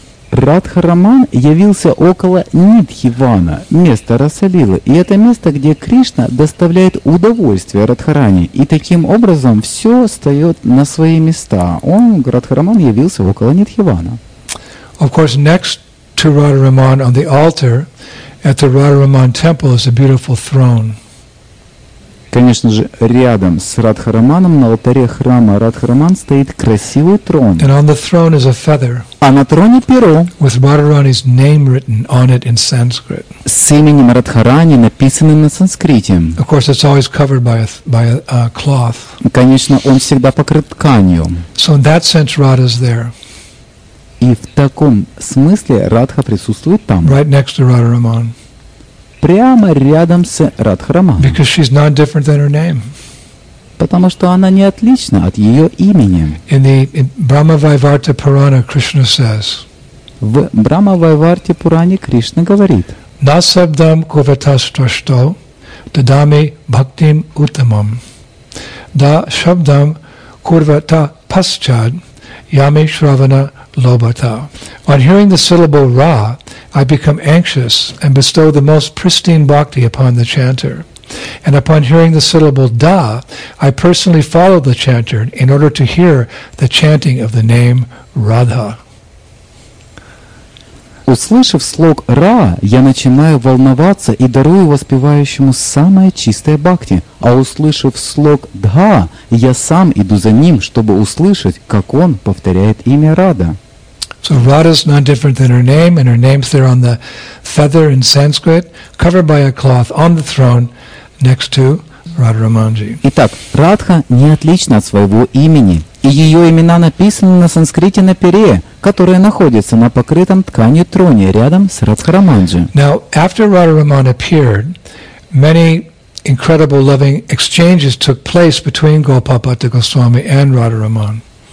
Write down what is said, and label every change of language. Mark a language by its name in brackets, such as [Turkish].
[Russian] Радхараман явился около Нидхивана, места Расалилы, и это место, где Кришна доставляет удовольствие Радхарани, и таким образом все встает на свои места. Он, Радхараман, явился около Нидхивана. [English] Of course, next to Radharaman on the altar at the Radharaman temple is a beautiful throne. [Russian] Конечно же, рядом с Радхараманом на алтаре храма Радхараман стоит красивый трон. [English] And on the throne is a feather. [Russian] А на троне перо. [English] With Radharani's name written on it in Sanskrit. [Russian] С именем Радхарани, написанным на санскрите. [English] Of course, it's always covered by a cloth. [Russian] Конечно, он всегда покрыт тканью. [English] So in that sense, Radha's there. [Russian] И в таком смысле Радха присутствует там. [English] Right next to Radharaman. [Russian] Прямо рядом с Радхараманом. [English] Because she's not different than her name. [Russian] Потому что она не отлична от ее имени. [English] In Brahma-Vaivarta Purana, Krishna says, [Russian] в Брахма-Вайварте Пуране Кришна говорит, [Sanskrit] Насабдам куватастрашто дадами бхактим утамам да шабдам курвата пасчад ями шравана лобата. [English] On hearing the syllable Ra, I become anxious and bestow the most pristine bhakti upon the chanter. And upon hearing the syllable Da, I personally follow the chanter in order to hear the chanting of the name Radha. [Russian] Услышав слог Ра, я начинаю волноваться и дарую воспевающему самое чистое бхакти. А услышав слог Дха, я сам иду за ним, чтобы услышать, как он повторяет имя Рада. [English] So Radha is not different than her name, and her name's there on the feather in Sanskrit, covered by a cloth on the throne next to Radharamanji. [Russian] Итак, Радха не отлична от своего имени, и ее имена написаны на санскрите на пере, которое находится на покрытом тканью троне рядом с Радхараманджи. [English] Now, after Radharaman appeared, many incredible loving exchanges took place between Gopalpata Goswami and Radharaman.